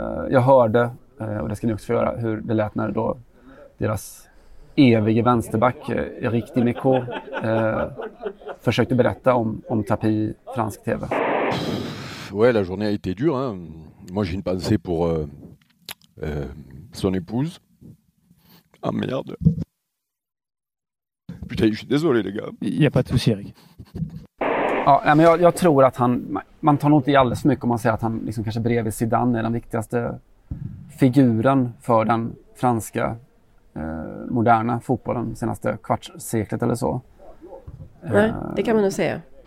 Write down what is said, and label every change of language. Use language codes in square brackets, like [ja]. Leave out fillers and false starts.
[sv] Jag hörde, och det ska ni också göra, hur det lät när då deras evige vänsterback, Eric Dimeco, försökte berätta om Tapie i fransk TV. [fr] Ouais, la journée a été dure, hein. Moi j'ai une pensée pour son épouse. Ah merde. Putain, je suis désolé les gars. Il y a pas de souci, Eric. [sv] Ja, men jag tror att han, man tar nog inte i alldeles för mycket om man säger att han liksom kanske bredvid Zidane är den viktigaste figuren för den franska moderna fotbollen senaste kvartsseklet eller så. Nej, det kan man nog säga.